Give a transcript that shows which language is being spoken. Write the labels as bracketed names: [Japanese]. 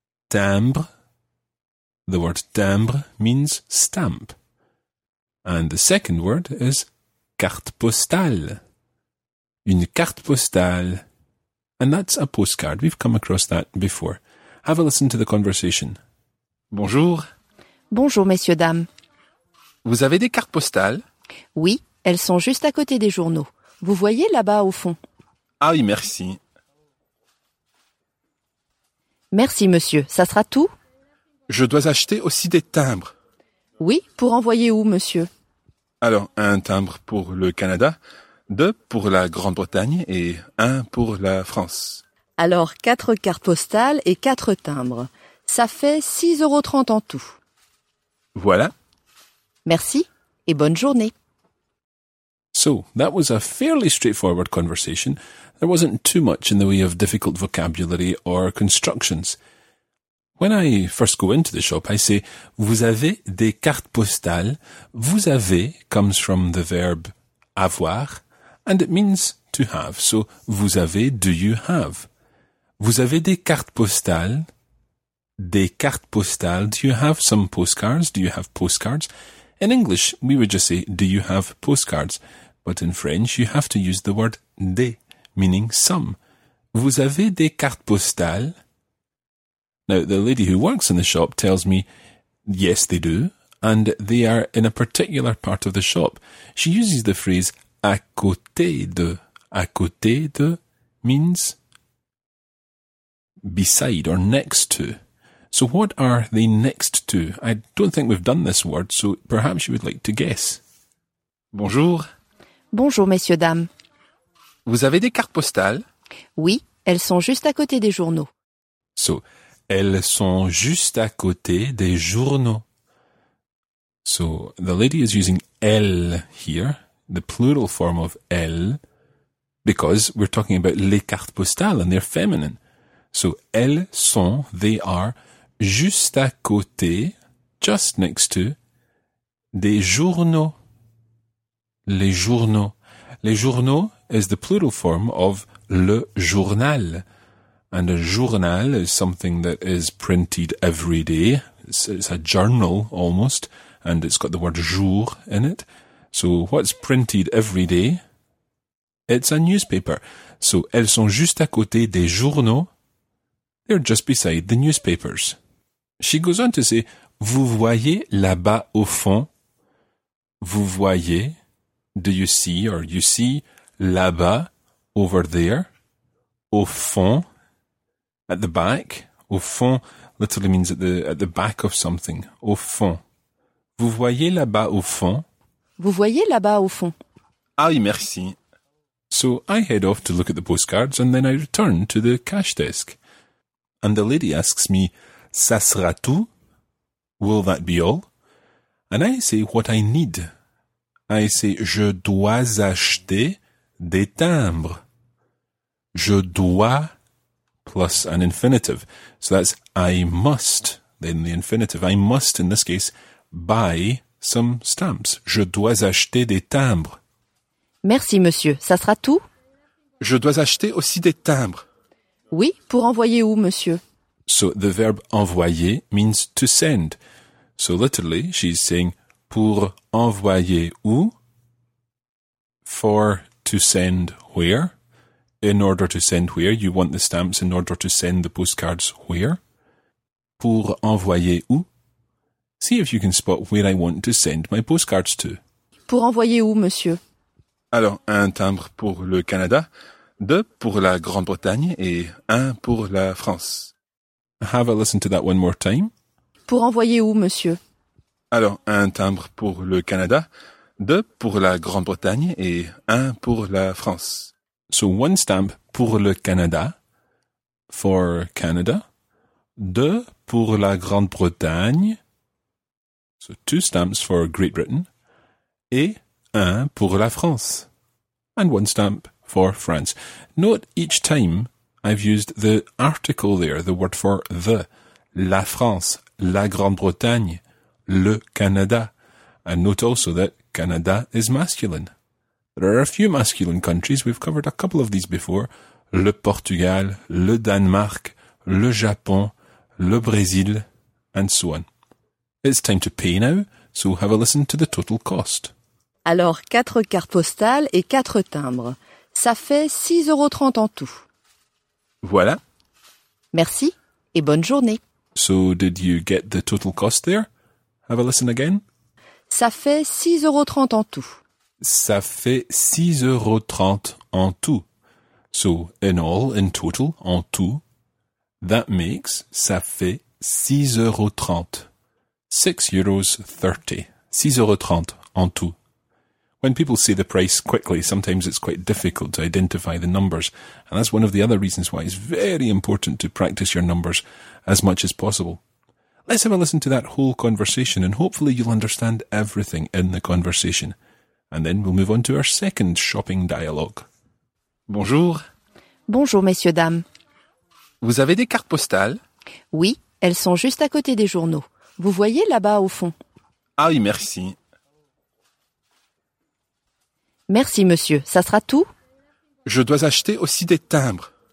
[English] Timbre. The word timbre means stamp. And the second word is [French] carte postale. Une carte postale. [English] And that's a postcard. We've come across that before. Have a listen to the conversation. [French] Bonjour. Bonjour, messieurs, dames. Vous avez des cartes postales? Oui, elles sont juste à côté des journaux. Vous voyez là-bas au fond? Ah oui, merci. Merci, monsieur. Ça sera tout? Je dois acheter aussi des timbres. Oui, pour envoyer où, monsieur? Alors, un timbre pour le Canada, deux pour la Grande-Bretagne et un pour la France. Alors, quatre cartes postales et quatre timbres. Ça fait 6,30 € en tout. Voilà. Merci et bonne journée. [English] So, that was a fairly straightforward conversation. There wasn't too much in the way of difficult vocabulary or constructions. When I first go into the shop, I say, [French] vous avez des cartes postales. Vous avez [English] comes from the verb avoir, and it means to have. So, [French] vous avez, [English] do you have? [French] Vous avez des cartes postales. Des cartes postales. [English] Do you have some postcards? Do you have postcards? In English, we would just say, do you have postcards? But in French, you have to use the word des, meaning some. [French] Vous avez des cartes postales? [English] Now, the lady who works in the shop tells me, yes, they do, and they are in a particular part of the shop. She uses the phrase [French] à côté de. À côté de [English] means beside or next to. So what are they next to? I don't think we've done this word, so perhaps you would like to guess. [French] Bonjour. Bonjour, messieurs, dames. Vous avez des cartes postales? Oui, elles sont juste à côté des journaux. So, elles sont juste à côté des journaux. [English] So, the lady is using elle here, the plural form of elle, because we're talking about [French] les cartes postales [English] and they're feminine. So, [French] elles sont, [English] they are, [French] juste à côté, [English] just next to, [French] des journaux. Les journaux. Les journaux [English] is the plural form of [French] le journal. [English] And a journal is something that is printed every day. It's a journal, almost, and it's got the word jour in it. So what's printed every day? It's a newspaper. [French] So elles sont juste à côté des journaux. [English] They're just beside the newspapers. She goes on to say, [French] vous voyez là-bas au fond, vous voyez, [English] do you see, or you see, [French] là-bas, [English] over there, [French] au fond, [English] at the back, au fond, literally means at the back of something, au fond. [French] Vous voyez là-bas au fond. Vous voyez là-bas au fond. Ah oui, merci. [English] So I head off to look at the postcards and then I return to the cash desk. And the lady asks me, [French] ça sera tout? [English] Will that be all? And I say what I need. I say, [French] je dois acheter des timbres. Je dois, [English] plus an infinitive. So that's I must, then the infinitive. I must, in this case, buy some stamps. [French] Je dois acheter des timbres. Merci, monsieur. Ça sera tout? Je dois acheter aussi des timbres. Oui, pour envoyer où, monsieur? [English] So the verb envoyer means to send. So literally, she's saying [French] pour envoyer où, [English] for to send where, in order to send where, you want the stamps in order to send the postcards where. [French] Pour envoyer où? [English] See if you can spot where I want to send my postcards to. [French] Pour envoyer où, monsieur? Alors, un timbre pour le Canada, deux pour la Grande-Bretagne et un pour la France. [English] Have a listen to that one more time. [French] Pour envoyer où, monsieur? Alors, un timbre pour le Canada, deux pour la Grande-Bretagne et un pour la France. [English] So, one stamp [French] pour le Canada, [English] for Canada, [French] deux pour la Grande-Bretagne, [English] so two stamps for Great Britain, [French] et un pour la France, [English] and one stamp for France. Note each time I've used the article there, the word for the, [French] la France, la Grande-Bretagne, le Canada, [English] and note also that Canada is masculine. There are a few masculine countries, we've covered a couple of these before. [French] Le Portugal, le Danemark, le Japon, le Brésil, [English] and so on. It's time to pay now, so have a listen to the total cost. [French] Alors, 4 cartes postales et 4 timbres. Ça fait 6,30 € en tout. Voilà. Merci et bonne journée. [English] So, did you get the total cost there? Have a listen again. [French] Ça fait 6,30 € en tout. Ça fait 6,30 € en tout. [English] So, in all, in total, [French] en tout, [English] that makes, [French] ça fait 6,30 €. 6,30 €. 6,30 € en tout. [English] When people say the price quickly, sometimes it's quite difficult to identify the numbers. And that's one of the other reasons why it's very important to practice your numbers as much as possible. Let's have a listen to that whole conversation and hopefully you'll understand everything in the conversation. And then we'll move on to our second shopping dialogue. [French] Bonjour. Bonjour, messieurs, dames. Vous avez des cartes postales? Oui, elles sont juste à côté des journaux. Vous voyez là-bas au fond? Ah oui, merci. Merci, monsieur. Ça sera tout? Je dois acheter aussi des timbres.